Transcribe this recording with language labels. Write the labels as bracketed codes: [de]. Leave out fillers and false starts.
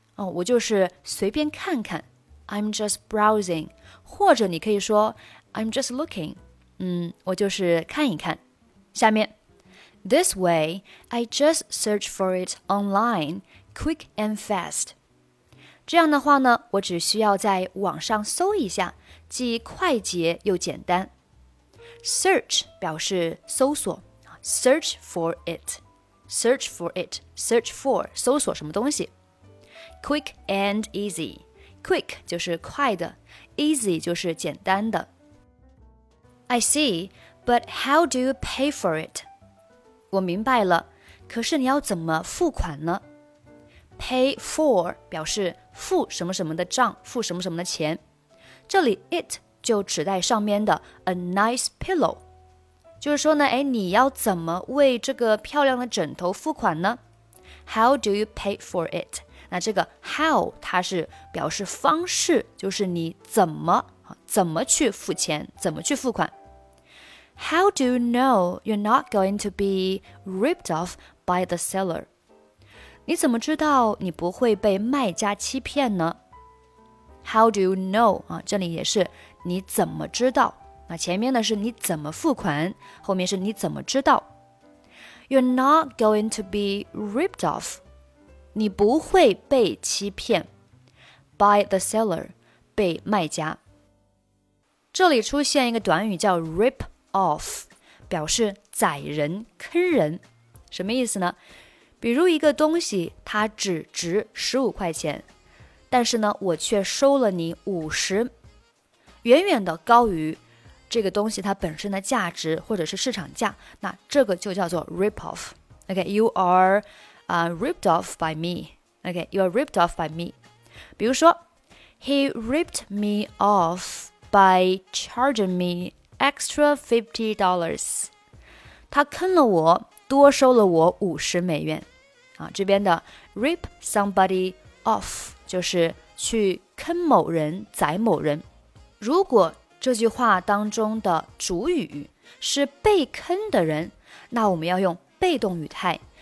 [zh] 我就是随便看看。 [en] I'm just browsing. [zh] 或者你可以说 [en] I'm just looking. [zh] 我就是看一看。下面 [en] This way, I just search for it online, quick and fast. [zh] 这样的话呢，我只需要在网上搜一下，既快捷又简单。 [en] Search [zh] 表示搜索。 [en] Search for it. Search for it. Search for, [zh] 搜索什么东西。 [en] Quick and easy. [zh] Quick 就是快的， easy 就是简单的。 [en] I see, but how do you pay for it? [zh] 我明白了，可是你要怎么付款呢？Pay for 表示付什么什么的账，付什么什么的钱。这里 it 就指代上面的 a nice pillow。就是说呢，哎，你要怎么为这个漂亮的枕头付款呢？ [en] How do you pay for it? [zh] 那这个 how 它是表示方式，就是你怎么去付钱，怎么去付款。 [en] How do you know you're not going to be ripped off by the seller? [zh] 你怎么知道你不会被卖家欺骗呢？ [en] How do you know? [zh] 这里也是你怎么知道。那前面呢是你怎么付款，后面是你怎么知道。 [en] You're not going to be ripped off. [zh] 你不会被欺骗 [en] by the seller, [zh] 被卖家。这里出现一个短语叫 rip off, 表示宰人、坑人。什么意思呢？比如一个东西它只值15块钱，但是呢我却收了你50，远远的高于这个东西它本身的价值或者是市场价，那这个就叫做 rip off。 [en] OK, you areripped off by me. Okay, you are ripped off by me. [zh] 比如说 [en] He ripped me off by charging me extra $50. [zh] 他坑了我，多收了我50美元。这边的 rip somebody off 就是去坑某人，宰某人。如果这句话当中的主语是被坑的人，那我们要用被动语态。